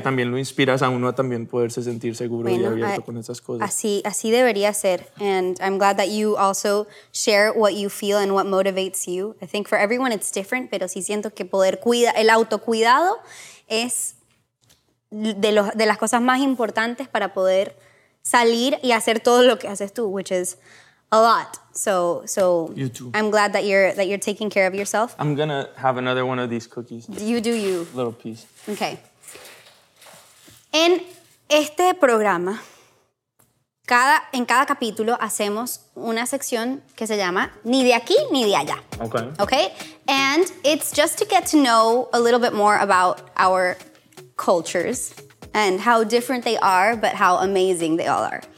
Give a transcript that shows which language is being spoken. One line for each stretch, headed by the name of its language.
Spanish: también lo inspiras a uno a también poderse sentir seguro y abierto con esas cosas. Así debería ser.
English: And I'm glad that you also share what you feel and what motivates you. I think for everyone it's different,
Spanish: pero sí siento que el autocuidado es de las cosas más importantes para poder salir y hacer todo lo que haces tú,
English: which is a lot.
Spanish: So
English: you too. I'm glad that you're taking care of yourself. I'm gonna have another one of these cookies. You do you. Little piece. Okay.
Spanish: En este programa, en cada capítulo hacemos una sección que se llama Ni de aquí ni de allá.
English: Okay. Okay? And it's just to get to know a little bit more about our cultures. And how different they are, but how amazing they all are.